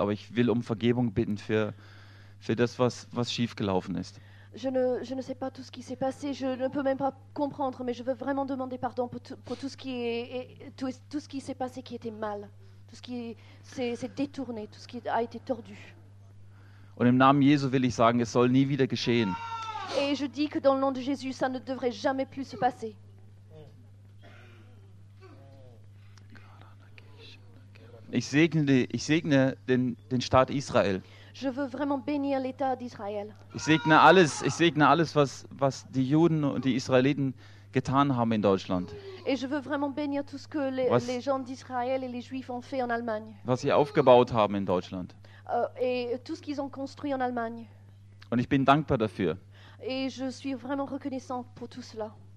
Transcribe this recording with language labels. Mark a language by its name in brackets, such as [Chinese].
[German] Aber ich will um Vergebung bitten für das, was schief gelaufen ist. [French] Je ne sais pas tout ce qui s'est passé. Je ne peux même pas comprendre. Mais je veux vraiment demander pardon pour tout ce qui s'est passé, qui était mal, tout ce qui s'est détourné, tout ce qui a été tordu. [German] Und im Namen Jesu will ich sagen, es soll nie wieder geschehen. [French] Et je dis que dans le nom de Jésus, ça ne devrait jamais plus se passer. [German] Ich segne den Staat Israel. [French] Je veux vraiment bénir l'État d'Israël. [German] Ich segne alles, was die Juden und die Israeliten getan haben in Deutschland. [French] Et je veux vraiment bénir tout ce que les gens d'Israël et les Juifs ont fait en Allemagne. [German] Was sie aufgebaut haben in Deutschland. [French] Et tout ce qu'ils ont construit en Allemagne. [German] Und ich bin dankbar dafür. [French] Et je suis vraiment reconnaissant pour tout cela.